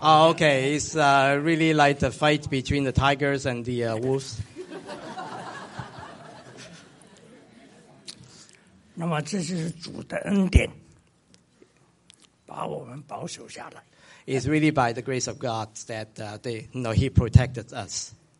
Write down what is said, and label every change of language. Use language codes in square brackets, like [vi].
[en] oh, okay, it's really like the fight between the tigers and the wolves. [zh] 那么这是主的恩典, 把我们保守下来。 [en] It's really by the grace of God that he protected us.